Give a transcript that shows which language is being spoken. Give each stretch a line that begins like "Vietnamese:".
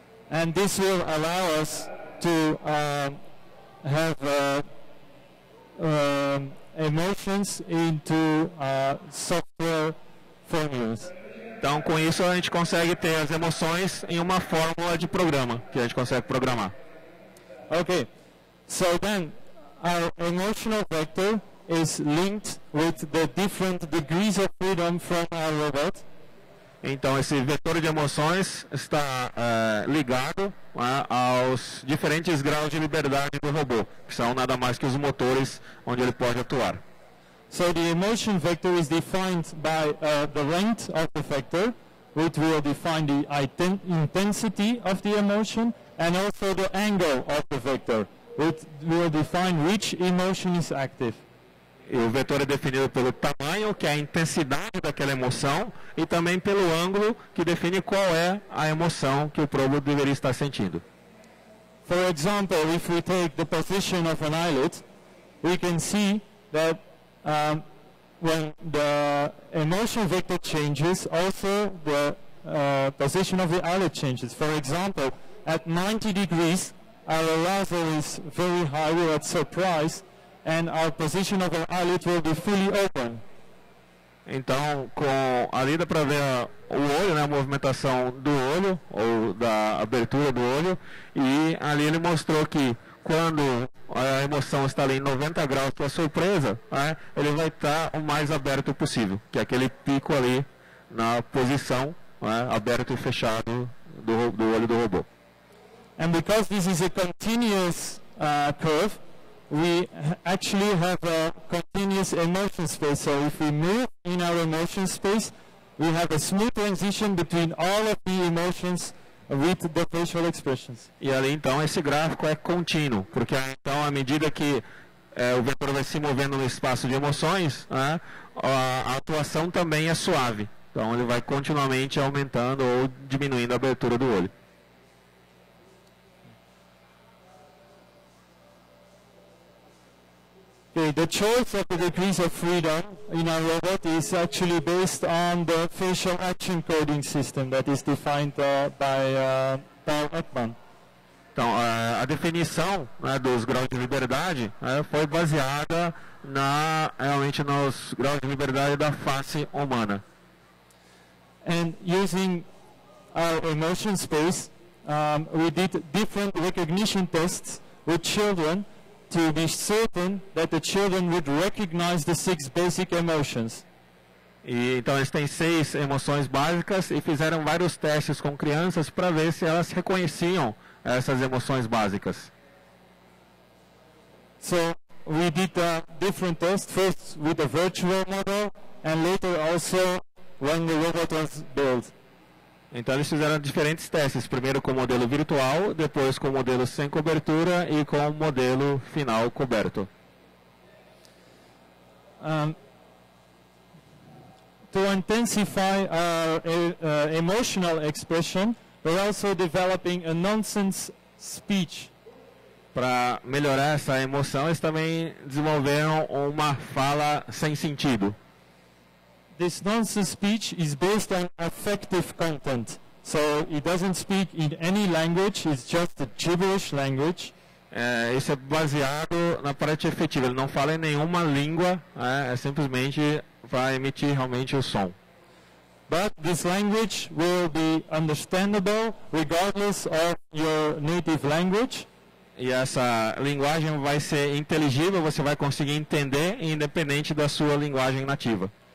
English: And this will allow us to have emotions into software formulas.
Portuguese: Então, com isso, a gente consegue ter as emoções em uma fórmula de programa, que a gente consegue programar.
English: Okay, so then our emotional vector is linked with the different degrees of freedom from our robot.
Portuguese: Então, esse vetor de emoções está ligado aos diferentes graus de liberdade do robô, que são nada mais que os motores onde ele pode atuar.
English: So the emotion vector is defined by the length of the vector, which will define the intensity of the emotion, and also the angle of the vector, which will define which emotion is active.
Portuguese: E o vetor é definido pelo tamanho, que é a intensidade daquela emoção, e também pelo ângulo, que define qual é a emoção que o probo deveria estar sentindo.
English: For example, if we take the position of an eyelid, we can see that when the emotion vector changes, also the position of the eyelid changes. For example, at 90 degrees, our arousal is very high, we're at surprise, and our position of our eyelid will be fully open.
Portuguese: Então, com ali dá para ver o olho, né, a movimentação do olho, ou da abertura do olho, e ali ele mostrou que quando a emoção está ali em 90 graus para surpresa, né, ele vai estar o mais aberto possível, que é aquele pico ali na posição, né, aberto e fechado do olho do robô.
English: And because this is a continuous curve, we actually have a continuous emotion space. So if we move in our emotion space, we have a smooth transition between all of the emotions with the facial expressions.
Portuguese: E ali então esse gráfico é contínuo, porque então à medida que o vetor vai se movendo no espaço de emoções, a atuação também é suave. Então ele vai continuamente aumentando ou diminuindo a abertura do olho.
English: Okay, the choice of the degrees of freedom in our robot is actually based on the facial action coding system that is defined by Paul Ekman.
Portuguese: Então, a definição, né, dos graus de liberdade foi baseada realmente nos graus de liberdade da face humana.
English: And using our emotion space, we did different recognition tests with children to be certain that the children would recognize the six basic emotions.
Portuguese: E então eles têm seis emoções básicas e fizeram vários testes com crianças para ver se elas reconheciam essas emoções básicas.
English: So we did a different test, first with a virtual model and later also when the robot was built.
Portuguese: Então eles fizeram diferentes testes, primeiro com o modelo virtual, depois com o modelo sem cobertura e com o modelo final coberto.
English: To intensify our emotional expression, we're also developing a nonsense speech.
Portuguese: Para melhorar essa emoção, eles também desenvolveram uma fala sem sentido.
English: This nonsense speech is based on affective content, so it doesn't speak in any language, it's just a gibberish language.
Portuguese: Isso é baseado na parte efetiva, ele não fala em nenhuma língua, é simplesmente para emitir realmente o som.
English: But this language will be understandable regardless of your native language.
Portuguese: E essa linguagem vai ser inteligível, você vai conseguir entender independente da sua linguagem nativa.